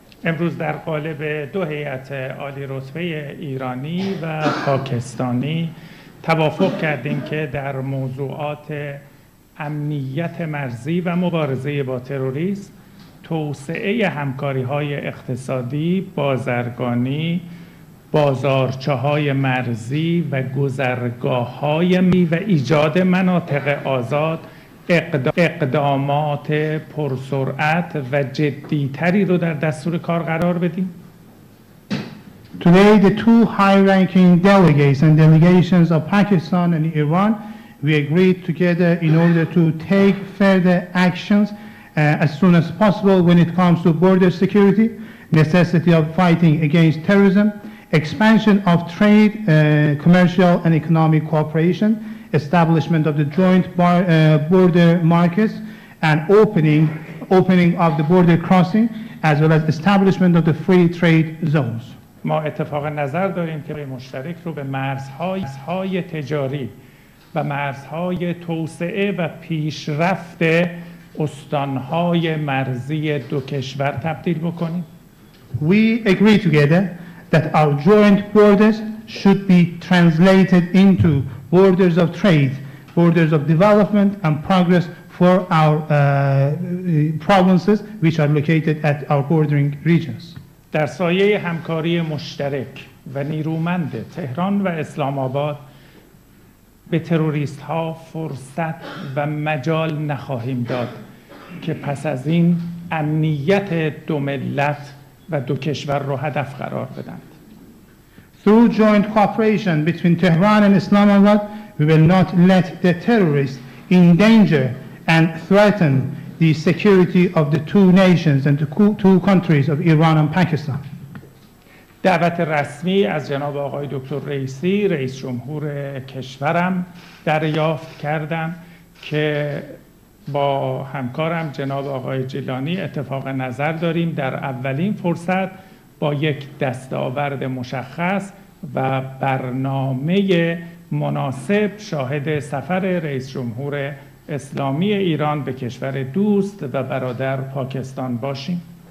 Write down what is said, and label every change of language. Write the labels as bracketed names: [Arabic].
[Persian] امروز در قالب دو هیئت عالی رتبه ایرانی و پاکستانی توافق کردیم که در موضوعات امنیت مرزی و مبارزه با تروریسم توسعه همکاری‌های اقتصادی، بازرگانی، بازارچه‌های مرزی و گذرگاه‌های می و ایجاد مناطق آزاد اقدامات پرسرعت و جدی‌تری رو در دستور کار قرار بدیم. [English] Today, the two high-ranking delegates and delegations of Pakistan and Iran, we agreed together in order to take further actions as soon as possible when it comes to border security, necessity of fighting against terrorism, expansion of trade, commercial and economic cooperation, establishment of the joint border markets, and opening of the border crossing, as well as establishment of the free trade zones. [Persian] ما اتفاق نظر داریم که مشترک رو به مرزهای تجاری و مرزهای توسعه و پیشرفت استانهای مرزی دو کشور تبدیل بکنیم. [English] We agree together that our joint borders should be translated into borders of trade, borders of development and progress for our provinces which are located at our bordering regions. [Persian] در سایه همکاری مشترک و نیرومند تهران و اسلام آباد به تروریست ها فرصت و مجال نخواهیم داد که پس از این امنیت دو ملت و دو کشور رو هدف قرار بدند. [English] Through joint cooperation between Tehran and Islamabad, we will not let the terrorists endanger and threaten the security of the two nations and the two countries of Iran and Pakistan. [Persian] دعوت رسمی از جناب آقای دکتر رئیسی رئیس جمهور کشورم دریافت کردم که با همکارم جناب آقای جیلانی اتفاق نظر داریم در اولین فرصت با یک دستاورد مشخص و برنامه مناسب شاهد سفر رئیس جمهور اسلامی ایران به کشور دوست و برادر پاکستان باشیم.